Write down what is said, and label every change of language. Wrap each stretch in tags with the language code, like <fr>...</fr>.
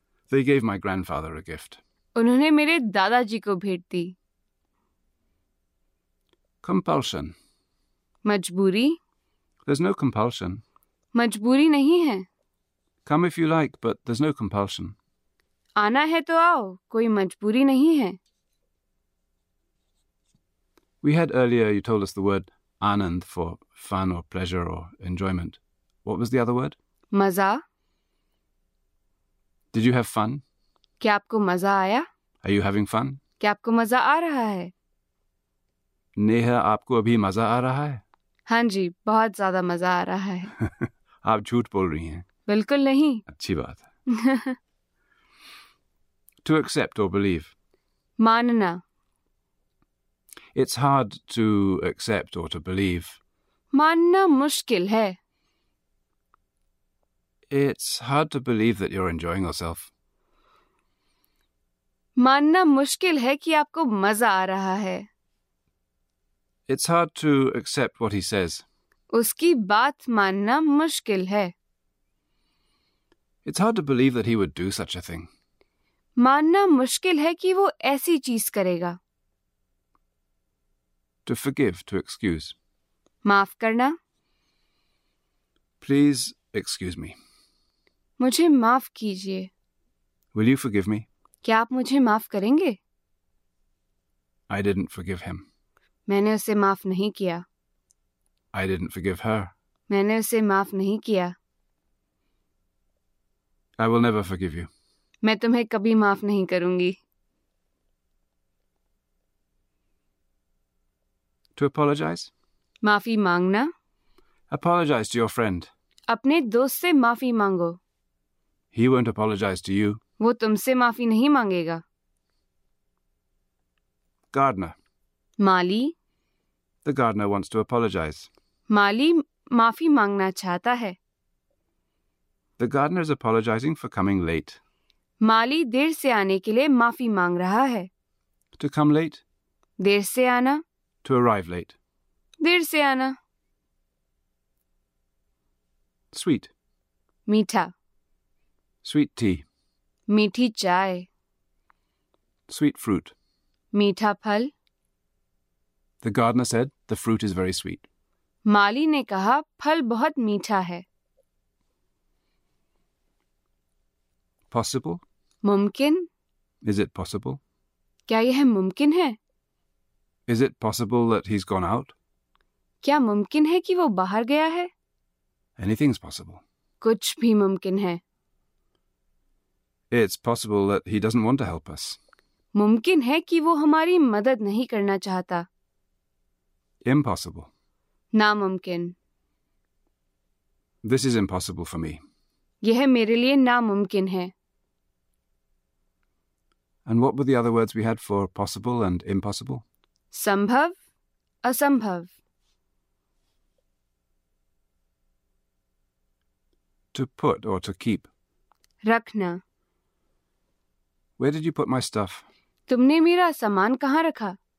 <en>They gave my grandfather a gift.</en> <hi>उन्होंने मेरे दादाजी को भेंट दी.</hi> <en>Compulsion.</en> <hi>मजबूरी.</hi> <en>There's no compulsion.</en> <hi>मजबूरी नहीं है.</hi> <en>Come if you like, but there's no compulsion.</en> <hi>आना है तो आओ, कोई मजबूरी नहीं है.</hi> <en>We had earlier, you told us the word anand for fun or pleasure or enjoyment. What was the other word?</en> <hi>मजा.</hi> <en>Did you have fun?</en> <hi>क्या आपको मजा आया?</hi> <en>Are you having fun?</en> <hi>क्या आपको मजा आ रहा है? नेहा, आपको अभी मजा आ रहा है? हाँ जी, बहुत ज्यादा मजा आ रहा है. आप झूठ बोल रही हैं. बिल्कुल नहीं. अच्छी बात है.</hi> <en>To accept or believe.</en> <hi>मानना.</hi> <en>It's hard to accept or to believe.</en> <hi>मानना मुश्किल है.</hi> <en>It's hard to believe that you're enjoying yourself.</en> <hi>मानना मुश्किल है कि आपको मजा आ रहा है.</hi> <en>It's hard to accept what he says.</en> <hi>उसकी बात मानना मुश्किल है.</hi> <en>It's hard to believe that he would do such a thing.</en> <hi>मानना मुश्किल है कि वो ऐसी चीज करेगा.</hi> <en>To forgive, to excuse.</en> <hi>माफ करना.</hi> <en>Please excuse me.</en> <hi>मुझे माफ कीजिए.</hi> <en>Will you forgive me?</en> <hi>क्या आप मुझे माफ करेंगे?</hi> <en>I didn't forgive him.</en> <hi>मैंने उसे माफ नहीं किया.</hi> <en>I didn't forgive her.</en> <hi>मैंने उसे माफ नहीं किया.</hi> <en>I will never forgive you.</en> <hi>मैं तुम्हें कभी माफ नहीं करूंगी.</hi> <en>To apologize?</en> <hi>माफी मांगना.</hi> <en>Apologize to your friend.</en> <hi>अपने दोस्त से माफी मांगो.</hi> <en>He won't apologize to you.</en> <hi>वो तुमसे माफी नहीं मांगेगा.</hi> <en>Gardener.</en> <hi>Mali.</hi> <en>The gardener wants to apologize.</en> <hi>माली माफी मांगना चाहता है.</hi> <en>The gardener is apologizing for coming late.</en> <hi>माली देर से आने के लिए माफी मांग रहा है.</hi> <en>To come late.</en> <hi>देर से आना.</hi> <en>To arrive late.</en> <hi>देर से आना.</hi> <en>Sweet.</en> <hi>मीठा.</hi> <en>Sweet tea.</en> <hi>मीठी चाय.</hi> <en>Sweet fruit.</en> <hi>मीठा फल.</hi> <en>The gardener said the fruit is very sweet.</en> <hi>माली ने कहा फल बहुत मीठा है.</hi> <en>Possible?</en> <hi>मुमकिन.</hi> <en>Is it possible?</en> <hi>क्या यह मुमकिन है?</hi> <en>Is it possible that he's gone out?</en> <hi>क्या मुमकिन है कि वो बाहर गया है?</hi> <en>Anything's possible.</en> <hi>कुछ भी मुमकिन है.</hi> <en>It's possible that he doesn't want to help us.</en> <hi>मुमकिन है कि वो हमारी मदद नहीं करना चाहता.</hi> <en>Impossible.</en> <hi>नामुमकिन.</hi> <en>This is impossible for me.</en> <hi>यह मेरे लिए नामुमकिन है.</hi> <en>And what were the other words we had for possible and impossible?</en> <hi>संभव, असंभव.</hi> <en>To put or to keep.</en> <hi>रखना.</hi> <en>Where did you put my stuff?</en> <hi>तुमने मेरा सामान कहाँ रखा?</hi>